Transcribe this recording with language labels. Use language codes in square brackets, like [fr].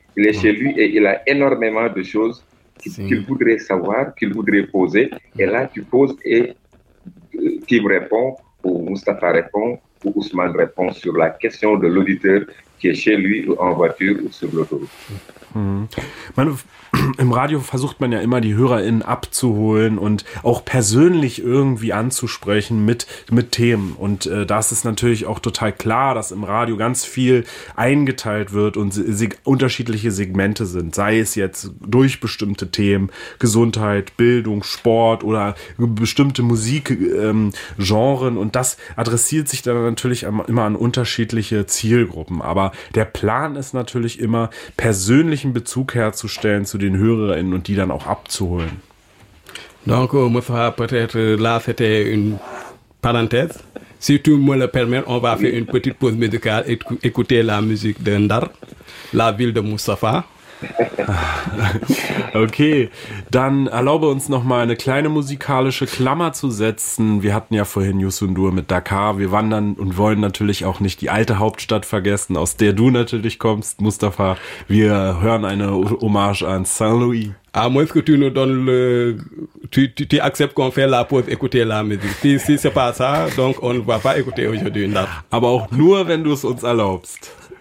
[fr] Il est chez lui et il a énormément de choses qu'il voudrait savoir, qu'il voudrait poser. Et là, tu poses et qui me répond, ou Moustapha répond, ou Ousmane répond sur la question de l'auditeur qui est chez lui ou en voiture ou sur l'autoroute. [de] Man, im Radio versucht man ja immer, die HörerInnen abzuholen und auch persönlich irgendwie anzusprechen mit Themen. Und das ist natürlich auch total klar, dass im Radio ganz viel eingeteilt wird und unterschiedliche Segmente sind. Sei es jetzt durch bestimmte Themen, Gesundheit, Bildung, Sport oder bestimmte Musikgenren. Und das adressiert sich dann natürlich immer an unterschiedliche Zielgruppen. Aber der Plan ist natürlich immer, persönlichen Bezug herzustellen zu den HörerInnen und die dann auch abzuholen. [fr] Donc, Moussa, peut-être là, c'était une parenthèse. Si tu me le permets, on va faire une petite pause musicale et écouter la musique de Ndar, la ville de Moustapha. [de] Okay, dann erlaube uns nochmal eine kleine musikalische Klammer zu setzen. Wir hatten ja vorhin Yusundur mit Dakar. Wir wandern und wollen natürlich auch nicht die alte Hauptstadt vergessen, aus der du natürlich kommst, Mustafa. Wir hören eine Hommage an Saint-Louis. [fr] À moins que tu nous donnes le... Tu acceptes qu'on fait la pause, écouter la musique. Si ce n'est pas ça, donc on ne va pas écouter aujourd'hui. Non. [de] Aber auch nur, wenn du es uns erlaubst.